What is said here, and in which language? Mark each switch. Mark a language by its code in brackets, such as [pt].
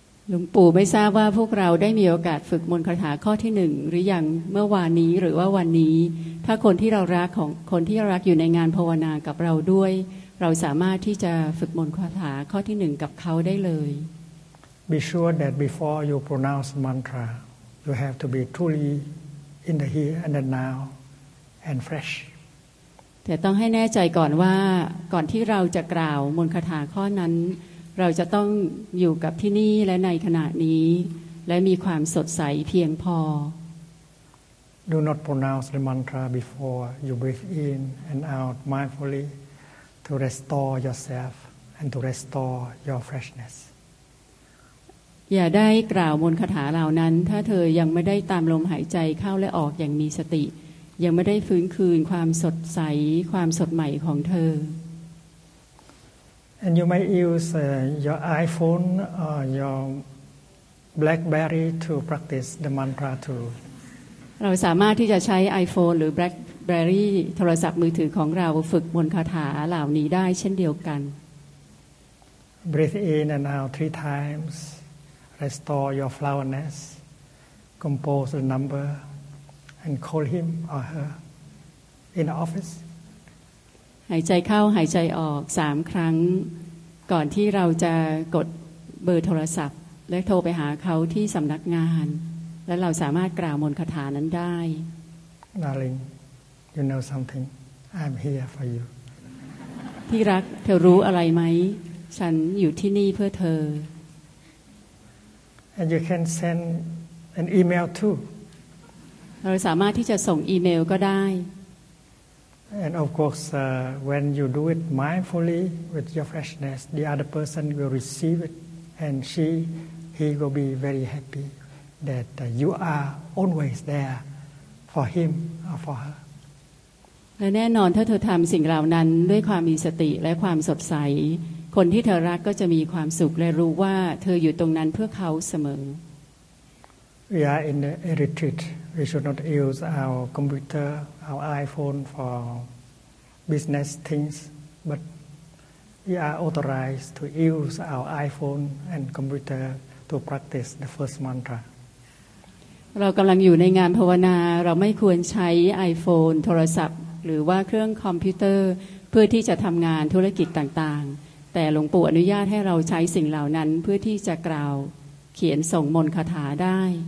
[th] หลวงปู่ไม่ทราบว่าพวกเราได้มีโอกาสฝึกมนต์คาถาข้อที่หนึ่งหรือยังเมื่อวานนี้หรือว่าวันนี้ถ้าคนที่เรารักของคนที่รักอยู่ในงานภาวนากับเราด้วยเราสามารถที่จะฝึกมนต์คาถาข้อที่หนึ่งกับเขาได้เลย [en] Be sure that before you pronounce mantra, you have to be truly in the here and the now. And fresh. [th] แต่ต้องให้แน่ใจก่อนว่าก่อนที่เราจะกล่าวมนต์คาถาข้อนั้นเราจะต้องอยู่กับที่นี่และในขณะนี้และมีความสดใสเพียงพอ [en] Do not pronounce the mantra before you breathe in and out mindfully to restore yourself and to restore your freshness. [th] อย่าได้กล่าวมนต์คาถาเหล่านั้นถ้าเธอยังไม่ได้ตามลมหายใจเข้าและออกอย่างมีสติยังไม่ได้ฟื้นคืนความสดใสความสดใหม่ของเธอ [en] And you might use your iPhone or your BlackBerry to practice the mantra too. [th] เราสามารถที่จะใช้ iPhone หรือ BlackBerry โทรศัพท์มือถือของเราฝึกมนต์คาถาเหล่านี้ได้เช่นเดียวกัน [en] Breathe in and out 3 times. Restore your flowerness. Compose the numberAnd call him or her in the office. [th] หายใจเข้าหายใจออก3ครั้งก่อนที่เราจะกดเบอร์โทรศัพท์และโทรไปหาเขาที่สำนักงานและเราสามารถกล่าวมนต์คาถานั้นได้ [en] Darling, you know something. I'm here for you. [th] ที่รักเธอรู้อะไรไหมฉันอยู่ที่นี่เพื่อเธอ [en] And you can send an email too. [th] เราสามารถที่จะส่งอีเมลก็ได้ [en] And of course when you do it mindfully with your freshness the other person will receive it and she he will be very happy that you are always there for him or for her. [th] และแน่นอนถ้าเธอทำสิ่งเหล่านั้นด้วยความมีสติและความสดใสคนที่เธอรักก็จะมีความสุขและรู้ว่าเธออยู่ตรงนั้นเพื่อเขาเสม [en] อ We are in a retreat. We should not use our computer, our iPhone for business things, but we are authorized to use our iPhone and computer to practice the first mantra. [th] เรากำลังอยู่ในงานภาวนาเราไม่ควรใช้ไอโฟนโทรศัพท์หรือว่าเครื่องคอมพิวเตอร์เพื่อที่จะทำงานธุรกิจต่างๆแต่หลวงปู่อนุญาตให้เราใช้สิ่งเหล่านั้นเพื่อที่จะกล่าวเขียนส่งมนต์คาถาได้